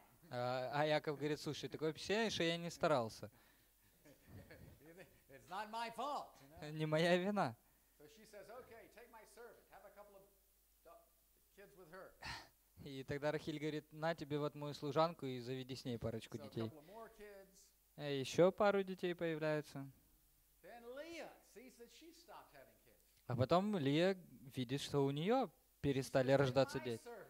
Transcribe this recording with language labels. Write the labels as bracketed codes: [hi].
[ru] А Яков говорит, слушай, такое впечатление, что я не старался. [en] It's not my fault, you know? [ru] Не моя вина. [en] So she says, okay, take my servant, have a couple of kids with her. [ru] И тогда Рахиль говорит, на тебе вот мою служанку и заведи с ней парочку [en] so [ru] детей. [en] Couple more kids. [ru] Еще пару детей появляются. [en] Then Leah sees that she stopped having kids. [ru] А потом Лия видит, что у нее перестали рождаться дети.